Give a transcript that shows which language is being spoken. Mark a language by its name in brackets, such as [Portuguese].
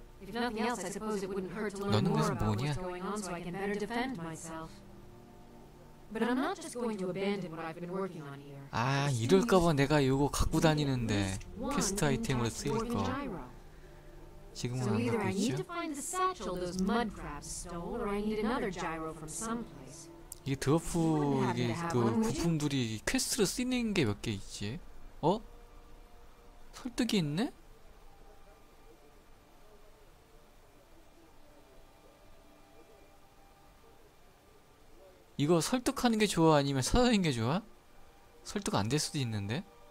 [English] If nothing else, I suppose it wouldn't hurt to learn more about what's going on, so I can better defend myself. But I'm not just going to abandon what I've been working on here. [Korean] 아, 이럴까봐 내가 이거 갖고 다니는데 퀘스트 아이템으로 쓰일 거. 지금은 안 갖고 있죠? [English] So either I need to find the satchel those mud crabs stole, or I need another gyro from someplace. [Korean] 이 드워프 이게 그 부품들이 퀘스트로 쓰이는 게 몇 개 있지? 어? 설득이 있네? 이거 설득하는 게 좋아 아니면 사다리는 게 좋아? 설득 안 될 수도 있는데.